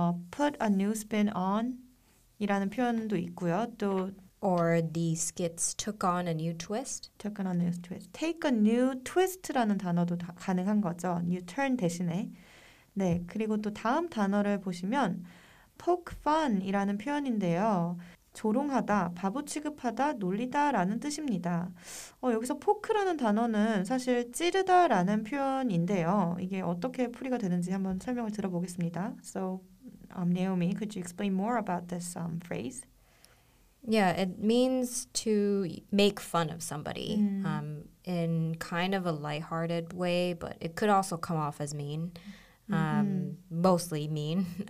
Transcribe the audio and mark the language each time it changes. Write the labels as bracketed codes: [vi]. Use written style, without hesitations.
[en] Put a new spin on이라는 [ko] 표현도 있고요. 또 [en] or the skits took on a new twist. Took on a new twist. Take a new twist라는 [ko] 단어도 가능한 거죠. New turn 대신에. 네, 그리고 또 다음 단어를 보시면 poke fun이라는 표현인데요. 조롱하다, 바보 취급하다, 놀리다라는 뜻입니다. 여기서 포크라는 단어는 사실 찌르다라는 표현인데요. 이게 어떻게 풀이가 되는지 한번 설명을 들어보겠습니다. [en] So, Naomi, could you explain more about this phrase? Yeah, it means to make fun of somebody in kind of a lighthearted way, but it could also come off as mean, mostly mean.